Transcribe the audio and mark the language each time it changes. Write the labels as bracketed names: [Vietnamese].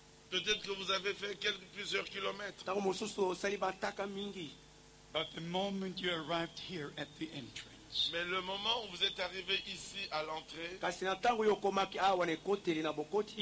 [French] Peut-être que vous avez fait plusieurs kilomètres. [English] But the moment you arrived here at the entrance, [French] mais le moment où vous êtes arrivé ici à l'entrée,